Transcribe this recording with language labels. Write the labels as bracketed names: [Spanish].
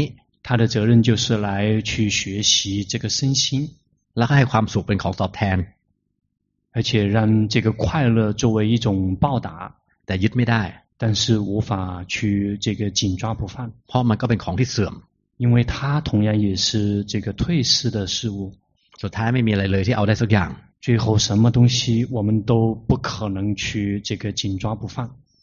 [Chinese] 它的责任就是来去学习这个身心 [Thai] แล้วก็ให้ความสุขเป็นของตอบแทน [Chinese] 而且让这个快乐作为一种报答 [Thai] แต่ยึดไม่ได้ [Chinese] 但是无法去这个紧抓不放 [Thai] เพราะมันก็เป็นของที่เสื่อม [Chinese] 因为它同样也是这个退失的事物所以它没有什么东西要得最后什么东西我们都不可能去这个紧抓不放